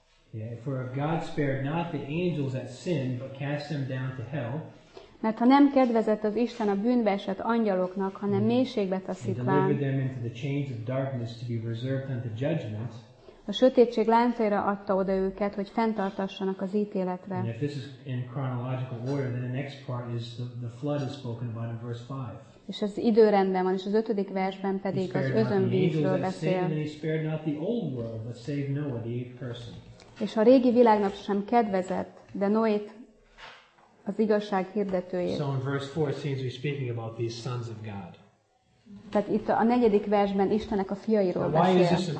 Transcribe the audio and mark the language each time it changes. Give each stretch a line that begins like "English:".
English: Yeah, for if God spared not the angels that sinned, but cast them down to hell.
Hungarian: Mert ha nem kedvezett az Isten a bűnbe esett angyaloknak, hanem mélységbe taszítván.
English: Delivered them into the chains of darkness to be reserved unto judgment.
Hungarian: A sötétség láncaira adta oda őket, hogy fenntartassanak az ítéletre.
English: And if this is in chronological order, then the next part is the flood is spoken about in verse 5.
Hungarian: És ez időrendben van, és az 5. versben pedig az özönvízről beszél.
English: World, Noah,
Hungarian: és a régi világnak sem kedvezett, de Noét, az igazság hirdetőjét.
English: So in verse 4 seems to be speaking about these sons of God.
Hungarian: Tehát itt a 4. versben Istennek a fiairól beszél.